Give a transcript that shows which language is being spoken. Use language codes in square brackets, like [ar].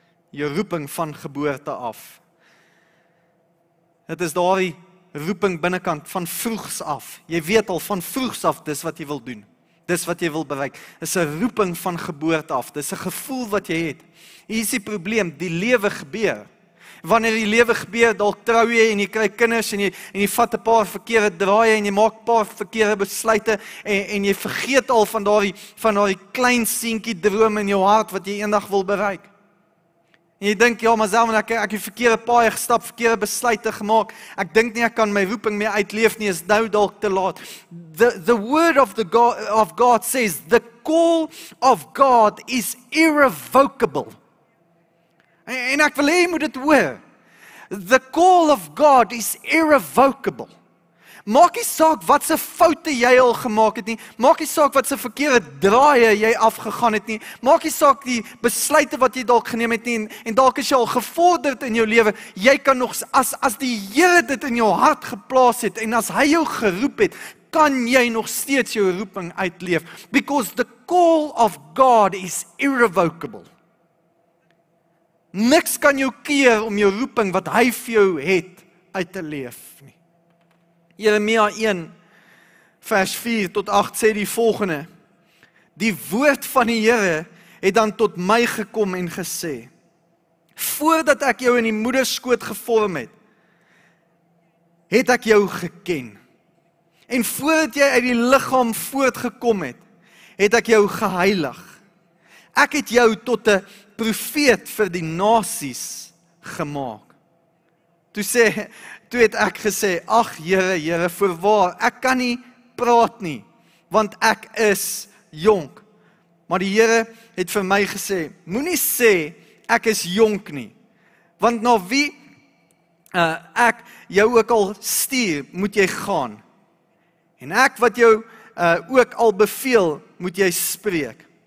[af] Jou roeping van geboorte af. Het is daardie roeping binnenkant van vroegs af. Jy weet al van vroegs af, dis wat jy wil doen. Dis wat jy wil bereik. Dis 'n roeping van geboorte af. Dis 'n gevoel wat jy het. Hier is die probleem, die lewe gebeur. Wanneer die lewe gebeur, dalk trou jy en jy kry kinders en jy vat 'n paar verkeerde draaie en jy maak 'n paar verkeerde besluite en jy vergeet al van daardie klein seentjie droom in jou hart wat jy eendag wil bereik. En jy dink, ja, maar self, want ek het verkeerde paaie gestap, verkeerde besluite gemaak, ek dink nie, ek kan my roeping mee uitleef nie, is nou dalk te laat. [en] The word of, of God says, the call of God is irrevocable. [af] En ek wil hê, moet dit hoor. [en] The call of God is irrevocable. [af] Maak nie saak wat se foute jy al gemaak het nie, maak nie saak wat se verkeerde draaie jy afgegaan het nie, maak nie saak die besluite wat jy dalk geneem het nie, en dalk is jy al gevorderd in jou lewe, jy kan nog, as die Here dit in jou hart geplaas het, en as hy jou geroep het, kan jy nog steeds jou roeping uitleef, [en] because the call of God is irrevocable. [af] Niks kan jou keer om jou roeping wat hy vir jou het uit te leef nie. Jeremia 1 vers 4 tot 8 sê die volgende: Die woord van die Here het dan tot my gekom en gesê: Voordat ek jou in die moederskoot gevorm het, het ek jou geken. En voordat jy uit die liggaam voortgekom het, het ek jou geheilig. Ek het jou tot 'n profeet vir die nasies gemaak. Toe het ek gesê, ag Here, Here, voorwaar, ek kan nie praat nie, want ek is jonk. Maar die Here het vir my gesê, moenie sê, ek is jonk nie, want na wie ek jou ook al stuur, moet jy gaan. En ek wat jou ook al beveel, moet jy spreek.